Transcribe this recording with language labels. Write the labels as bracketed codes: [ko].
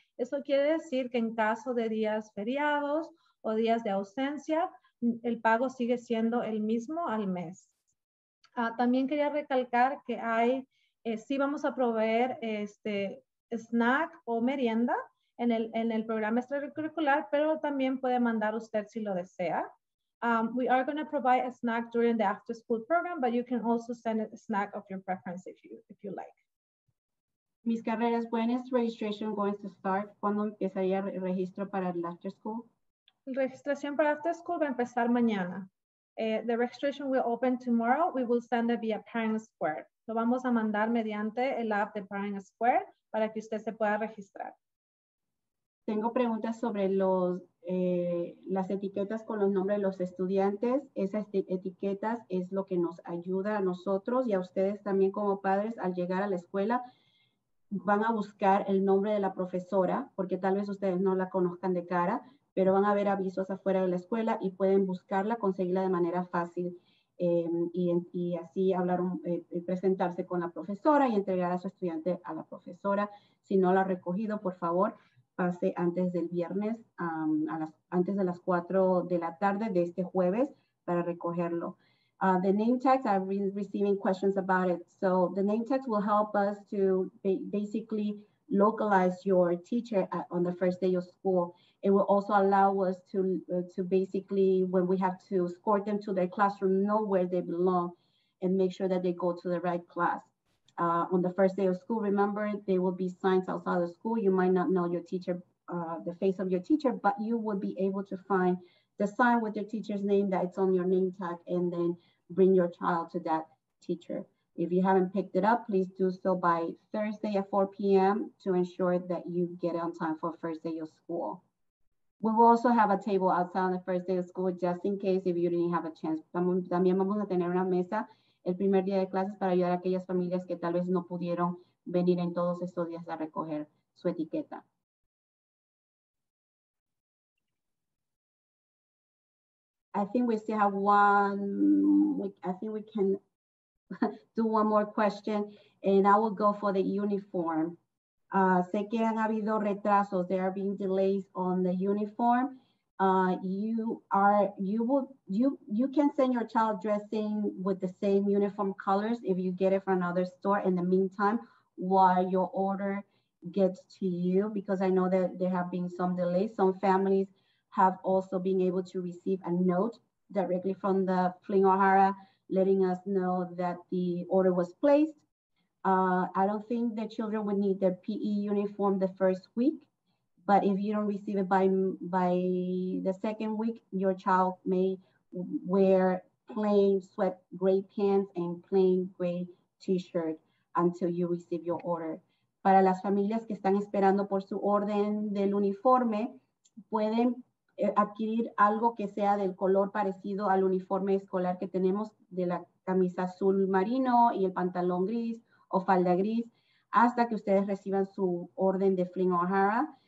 [es] Eso quiere decir que en caso de días feriados o días de ausencia, el pago sigue siendo el mismo al mes. También quería recalcar que hay, sí vamos a proveer este snack o merienda en el programa extracurricular, pero también puede mandar usted si lo desea. [en] We are going to provide a snack during the after school program, but you can also send a snack of your preference if you like. Ms. Carreras, when is registration going to start? [es] ¿Cuándo empezaría el registro para el after school? La registración para after school va a empezar mañana. [en] The registration will open tomorrow. We will send it via Parent Square. [es] Lo vamos a mandar mediante el app de Parent Square para que usted se pueda registrar. Tengo preguntas sobre las etiquetas con los nombres de los estudiantes. Esas etiquetas es lo que nos ayuda a nosotros y a ustedes también como padres al llegar a la escuela. Van a buscar el nombre de la profesora porque tal vez ustedes no la conozcan de cara, pero van a ver avisos afuera de la escuela y pueden buscarla, conseguirla de manera fácil y así hablar, presentarse con la profesora y entregar a su estudiante a la profesora. Si no la ha recogido, por favor, pase antes del viernes, antes de las 4 de la tarde de este jueves para recogerlo. [en] The name tags, I've been receiving questions about it. So the name tags will help us to basically localize your teacher on the first day of school. It will also allow us to basically, when we have to escort them to their classroom, know where they belong and make sure that they go to the right class. On the first day of school, remember, there will be signs outside of school. You might not know your teacher, the face of your teacher, but you will be able to find the sign with your teacher's name that it's on your name tag and then bring your child to that teacher. If you haven't picked it up, please do so by Thursday at 4 p.m. to ensure that you get it on time for first day of school. We will also have a table outside on the first day of school, just in case if you didn't have a chance. [es] También vamos a tener una mesa el primer día de clases para ayudar a aquellas familias que tal vez no pudieron venir en todos estos días a recoger su etiqueta. [en] I think we still have one, I think we can do one more question, and I will go for the uniform. [es] Sé que han habido retrasos, [en] there are being delays on the uniform. You can send your child dressing with the same uniform colors if you get it from another store in the meantime while your order gets to you, because I know that there have been some delays. Some families have also been able to receive a note directly from the Flynn O'Hara letting us know that the order was placed. I don't think the children would need their PE uniform the first week. But if you don't receive it by the second week, your child may wear plain sweat gray pants and plain gray t-shirt until you receive your order. Para las familias que están esperando por su orden del uniforme, pueden adquirir algo que sea del color parecido al uniforme escolar que tenemos, de la camisa azul marino y el pantalón gris o falda gris, hasta que ustedes reciban su orden de Flynn O'Hara.